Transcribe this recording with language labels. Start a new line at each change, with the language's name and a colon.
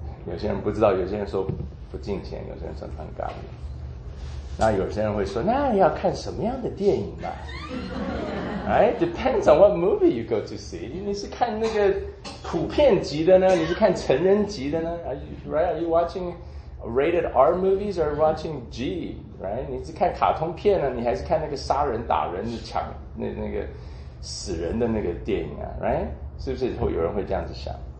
Chinese: 有些人不知道，有些人说不敬虔，有些人说很干。那有些人会说，那要看什么样的电影吧？
English: 哎，depends on what movie you go to see。
Chinese: 你是看那个普遍级的呢？你是看成人级的呢 ？
English: Are you right? Are you watching rated R movies or watching G? Right?
Chinese: 你是看卡通片呢？你还是看那个杀人、打人、抢那个死人的那个电影啊 ？Right? 是不是以后有人会这样子想？